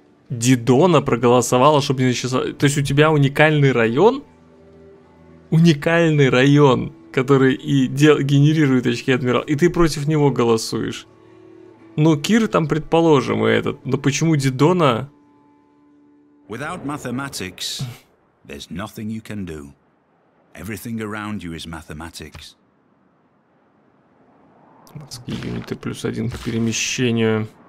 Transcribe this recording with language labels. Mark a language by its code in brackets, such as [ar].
[ru] Дидона проголосовала, чтобы не начисляться. То есть у тебя уникальный район? Уникальный район, который и генерирует очки адмирал, и ты против него голосуешь. Ну, Кир там, предположим, и этот. Но почему Дидона? [en] Without mathematics, there's nothing you can do. Everything around you is mathematics. [ru] Морские юниты плюс один к перемещению.